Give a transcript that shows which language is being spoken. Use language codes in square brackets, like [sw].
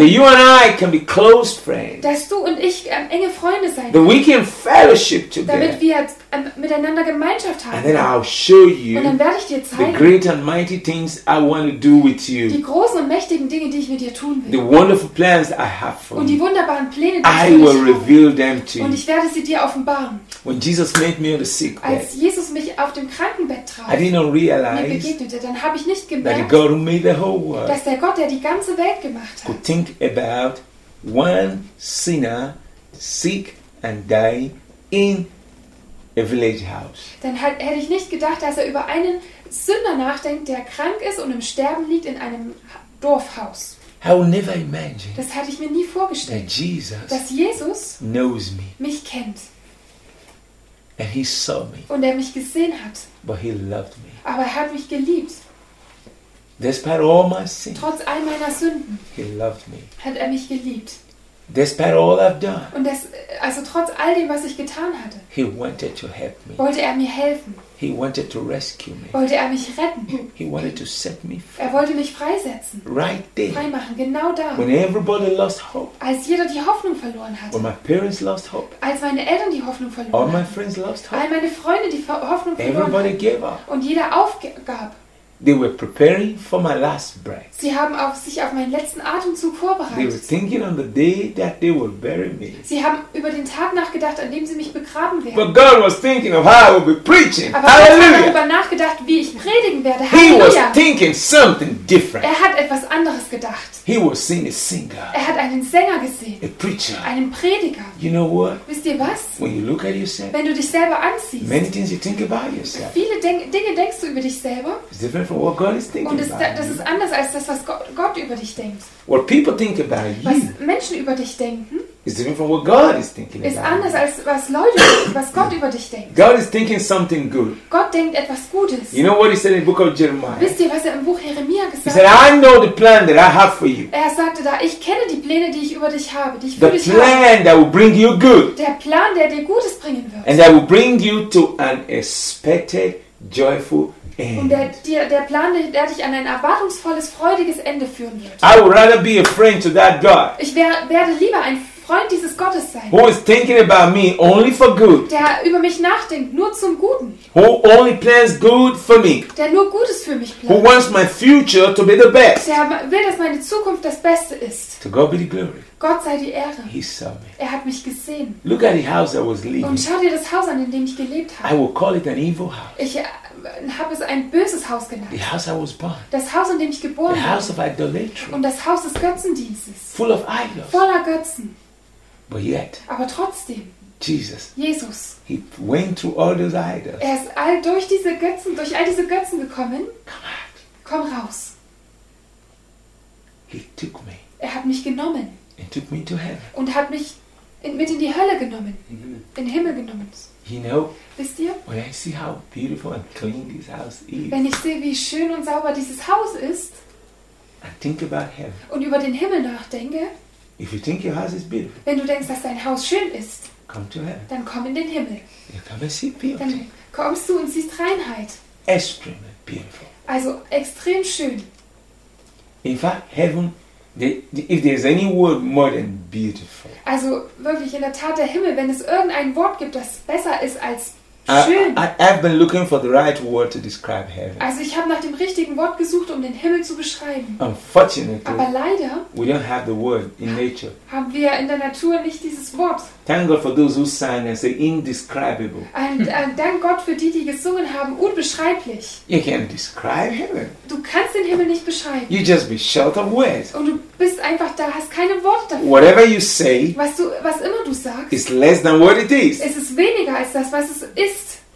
[en] that you and I can be close friends, [de] dass du und ich enge Freunde sein [en] that we can fellowship together, [de] damit wir miteinander Gemeinschaft haben, [en] and then I'll show you [de] und dann werde ich dir zeigen [en] the great and mighty things I want to do with you, [de] die großen und mächtigen Dinge, die ich mit dir tun will, [en] the wonderful plans I have for [de] und die wunderbaren Pläne, die ich für dich habe, [en] I will reveal them to you. [de] Und ich werde sie dir offenbaren. [en] When Jesus made me on the sick bed, [de] als Jesus mich auf dem Krankenbett traf, [en] I didn't realize, [de] mir begegnete, dann habe ich nicht gemerkt, [en] God who made the whole world, [de] dass der Gott, der die ganze Welt gemacht hat, [en] could think about one sinner sick and dying in a village house. [de] Dann hätte ich nicht gedacht, dass er über einen Sünder nachdenkt, der krank ist und im Sterben liegt in einem Dorfhaus. [en] I would never imagine, [de] das hatte ich mir nie vorgestellt, [en] that Jesus, [de] dass Jesus [en] knows me, [de] mich kennt. [en] And he saw me, [de] und er mich gesehen hat. [en] But he loved me. [de] Aber er hat mich geliebt. [en] Despite all my sins, [de] trotz all meiner Sünden, [en] he loved me. [de] Hat er mich geliebt. [en] Despite all I've done, [de] und also trotz all dem, was ich getan hatte, [en] he wanted to help me. [de] Wollte er mir helfen. [en] He wanted to rescue me. [de] Wollte er mich retten. [en] He wanted to set me free. [de] Er wollte mich freisetzen. [en] Right there. [de] Freimachen, genau da. [en] When everybody lost hope. [de] Als jeder die Hoffnung verloren hatte. [en] When my parents lost hope. [de] Als meine Eltern die Hoffnung verloren hatten. [en] All my friends lost hope. [de] All meine Freunde die Hoffnung verloren [en] everybody [de] hatten. [en] Gave up. [de] Und jeder aufgab. [en] They were preparing for my last breath. [de] Sie haben sich auf meinen letzten Atemzug vorbereitet. [en] They were thinking on the day that they would bury me. [de] Sie haben über den Tag nachgedacht, an dem sie mich begraben werden. [en] But God was thinking of how I would be preaching. [de] Aber Gott hat darüber nachgedacht, wie ich predigen werde. [en] He was thinking something different. [de] Er hat etwas anderes gedacht. [en] He was seeing a singer. [de] Er hat einen Sänger gesehen. [en] A preacher. [de] Einen Prediger. [en] You know what? [de] Wisst ihr was? [en] When you look at yourself, [de] wenn du dich selber ansiehst, [en] many things you think about yourself. [de] Viele Dinge denkst du über dich selber. [en] What God is thinking [de] und das ist anders als das, was Gott über dich denkt. [en] What people think about you, [de] was Menschen über dich denken, [en] It's different what God is thinking. [de] Ist anders als was Leute, was Gott über dich denkt. [en] God is thinking something good. [de] Gott denkt etwas Gutes. [en] You know what he said in the book of Jeremiah? [de] Wisst ihr, was er im Buch Jeremia gesagt hat? [en] He said, I know the plan that I have for you. [de] Er sagte da, ich kenne die Pläne, die ich über dich habe, die ich für dich habe. [en] The plan that will bring you good. [de] Der Plan, der dir Gutes bringen wird. [en] And that will bring you to an expected, joyful end. [de] Und der Plan, der dich an ein erwartungsvolles, freudiges Ende führen wird. [en] I would rather be a friend to that God. [de] Ich werde lieber ein Freund dieses Gottes sein. [en] Who is thinking about me only for good. [de] Der über mich nachdenkt, nur zum Guten. [en] Who only plans good for me. [de] Der nur Gutes für mich plant. [en] Who wants my future to be the best. [de] Der will, dass meine Zukunft das Beste ist. [en] To God be the glory. [de] Gott sei die Ehre. [en] He saw me. [de] Er hat mich gesehen. [en] Look at the house I was living. [de] Und schau dir das Haus an, in dem ich gelebt habe. [en] I will call it an evil house. [de] Ich habe es ein böses Haus genannt. [en] The house I was born. [de] Das Haus, in dem ich geboren [en] the house [de] bin. [en] Of idolatry. [de] Und das Haus des Götzendienstes. [en] Full of idols. [de] Voller Götzen. [en] But yet, [de] aber trotzdem, [en] Jesus, he went through all those idols. [de] Er ist all durch diese Götzen, durch all diese Götzen gekommen. Komm raus. [en] He took me. [de] Er hat mich genommen. [en] And took me to heaven. [de] Und hat mich mit in die Hölle genommen. In den Himmel genommen. [en] You know, [de] wisst ihr? [en] When I see how beautiful and clean this house is, [de] wenn ich sehe, wie schön und sauber dieses Haus ist, [en] I think about heaven. [de] Und über den Himmel nachdenke. [en] If you think your house is beautiful, [de] wenn du denkst, dass dein Haus schön ist, [en] come to heaven. [de] Dann komm in den Himmel. [en] You come and see beauty. [de] Dann kommst du und siehst Reinheit. [en] Extremely beautiful. [de] Also extrem schön. [en] In fact, heaven, if there's any word more than beautiful. [de] Also wirklich in der Tat der Himmel, wenn es irgendein Wort gibt, das besser ist als [en] I've been looking for the right word to describe heaven. [de] Also ich habe nach dem richtigen Wort gesucht, um den Himmel zu beschreiben. [en] Unfortunately, [de] aber leider, [en] we don't have the word in nature. [de] Haben wir in der Natur nicht dieses Wort. [en] Thank God for those who sang and say indescribable. [de] Und dank Gott für die, die gesungen haben, unbeschreiblich. [en] You can't describe heaven. [de] Du kannst den Himmel nicht beschreiben. [en] You just be short of words. [de] Und du bist einfach da, hast keine Worte dafür. [en] Whatever you say, [de] was immer du sagst, [en] is less than what it is. [de] Es ist weniger als das, was es ist.